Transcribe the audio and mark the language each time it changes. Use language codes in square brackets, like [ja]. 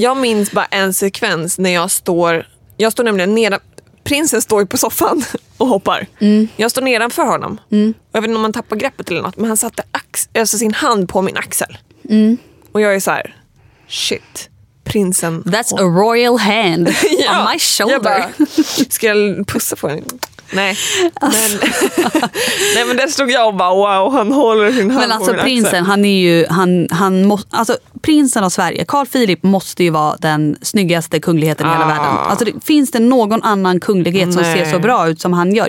[sv] Jag minns bara en sekvens när jag står nämligen nere. Prinsen står ju på soffan och hoppar. Mm. Jag står nedanför honom. Mm. Jag vet inte om han tappar greppet eller något. Men han satte alltså sin hand på min axel. Mm. Och jag är så här, shit, prinsen. [en] That's a royal hand on my shoulder. [sv] Jag bara, ska jag pussa på henne? Nej. Alltså. Men, nej, men där stod jag och bara wow, han håller sin hand. Men alltså prinsen, han är ju han måste, alltså prinsen av Sverige, Carl Philip måste ju vara den snyggaste kungligheten i hela världen. Alltså finns det någon annan kunglighet som ser så bra ut som han gör?